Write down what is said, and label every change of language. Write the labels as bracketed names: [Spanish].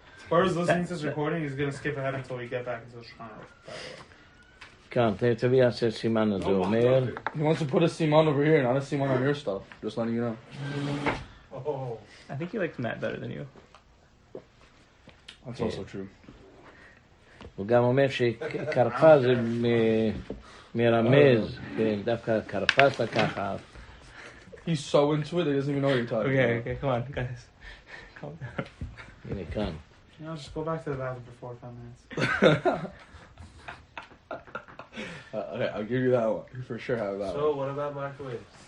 [English] As far as listening to this recording, he's gonna skip ahead until we get back into Shkhan. Can't tell you to be a Siman. He wants to put a Siman over here, not a Siman on your stuff. Just letting you know. I think he likes Matt better than you. That's also true. [Hebrew] הוא גם אומר שכרפס זה מרמז, דווקא כרפס לקחה. [English] He's so into it, he doesn't even know what you're talking about. Okay, come on, guys. [Hebrew] הנה כאן. [English] I'll just go back to the bathroom before 5 minutes. Okay, I'll give you that one. You for sure have that one. So, what about microwaves?